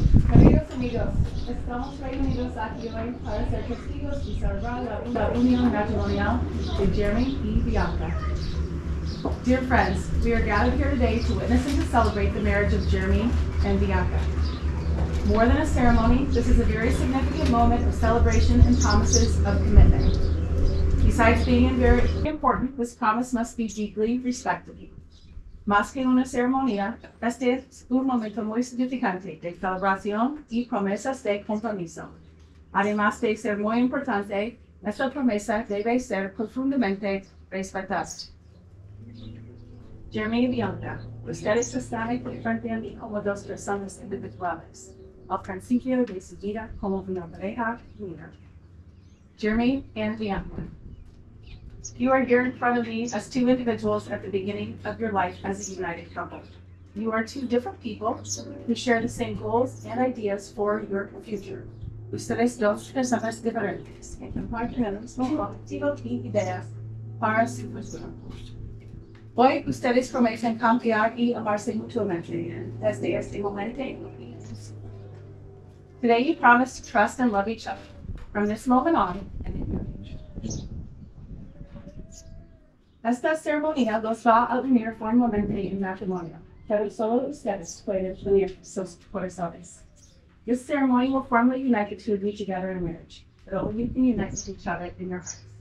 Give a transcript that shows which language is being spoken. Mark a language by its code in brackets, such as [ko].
[es] Queridos amigos, estamos reunidos aquí hoy para ser testigos y celebrar la unión matrimonial de Jeremy y Vianka. [en] Dear friends, we are gathered here today to witness and to celebrate the marriage of Jeremy and Vianka. More than a ceremony, this is a very significant moment of celebration and promises of commitment. Besides being very important, this promise must be deeply respected. [es] Más que una ceremonia, este es un momento muy significante de celebración y promesas de compromiso. Además de ser muy importante, nuestra promesa debe ser profundamente respetada. Jeremy y Vianka, ustedes están aquí frente a mí como dos personas individuales, al principio de su vida como una pareja unida. [en] Jeremy and Vianka, you are here in front of me as two individuals at the beginning of your life as a united couple. You are two different people who share the same goals and ideas for your future. [es] Ustedes dos personas diferentes que comparten el mismo objetivo y ideas para su futuro. Hoy ustedes prometen confiar y amarse mutuamente desde este momento. [en] Today you promise to trust and love each other from this moment on and in your future. [es] Esta ceremonia los va a unir formalmente en matrimonio, pero solo ustedes pueden unir sus corazones. [en] This ceremony will formally unite the two of you together in marriage, but only you can unite with each other in your hearts.